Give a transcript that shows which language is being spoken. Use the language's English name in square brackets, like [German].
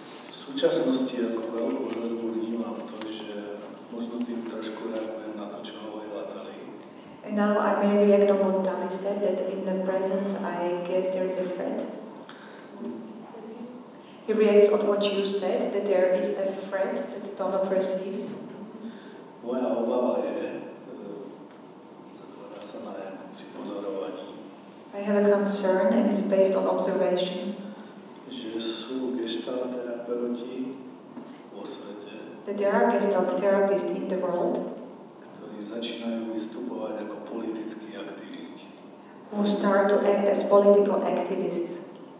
[Slovak] V súčasnosti ako veľkú hrozbu vnímam to, že možno tým trošku reagujem na to, čo hovorila Tali. [English] And now I may react on what Tali said, that in the presence I guess there is a threat. He reacts on what you said, that there is a threat that Tono perceives. [Slovak] Moja obava je, zatvára sa na jakomsi pozorovaní. [English] I have a concern, and it's based on observation. [Slovak] Že sú gestalt terapeuti vo svete. [English] That there are gestalt therapists in the world. [Slovak] Ktorí začínajú vystupovať ako politickí aktivisti. [English] Who start to act as political activists.